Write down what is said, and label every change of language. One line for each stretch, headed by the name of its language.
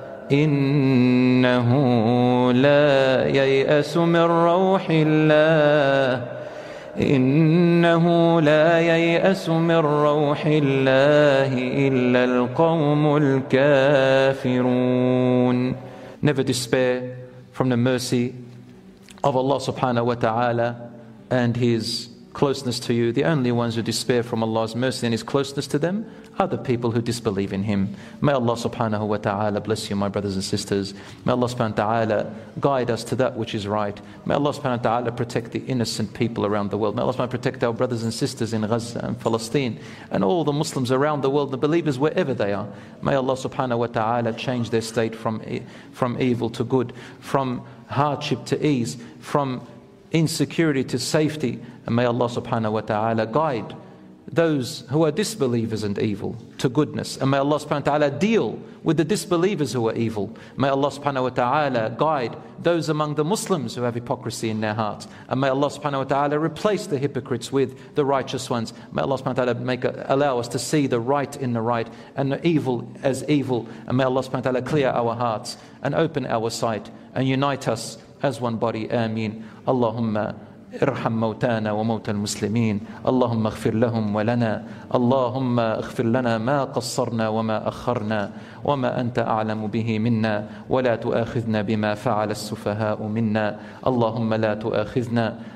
Arabic: إِنَّهُ لَا يَيْأَسُ مِنْ رَوْحِ اللَّهِ إِنَّهُ لَا يَيْأَسُ مِنْ رَوْحِ اللَّهِ إِلَّا الْقَوْمُ الْكَافِرُونَ
English: Never despair from the mercy of Allah subhanahu wa ta'ala and His closeness to you. The only ones who despair from Allah's mercy and His closeness to them are the people who disbelieve in Him. May Allah subhanahu wa ta'ala bless you, my brothers and sisters. May Allah subhanahu wa ta'ala guide us to that which is right. May Allah subhanahu wa ta'ala protect the innocent people around the world. May Allah subhanahu wa ta'ala protect our brothers and sisters in Gaza and Palestine and all the Muslims around the world, the believers wherever they are. May Allah subhanahu wa ta'ala change their state from evil to good, from hardship to ease, from insecurity to safety. And may Allah subhanahu wa ta'ala guide those who are disbelievers and evil to goodness. And may Allah subhanahu wa ta'ala deal with the disbelievers who are evil. May Allah subhanahu wa ta'ala guide those among the Muslims who have hypocrisy in their hearts. And may Allah subhanahu wa ta'ala replace the hypocrites with the righteous ones. May Allah subhanahu wa ta'ala allow us to see the right in the right and the evil as evil. And may Allah subhanahu wa ta'ala clear our hearts and open our sight and unite us as one body. Ameen.
Arabic: Allahumma ارحم موتانا وموتى المسلمين اللهم اغفر لهم ولنا اللهم اغفر لنا ما قصرنا وما أخرنا وما أنت أعلم به منا ولا تؤاخذنا بما فعل السفهاء منا اللهم لا تؤاخذنا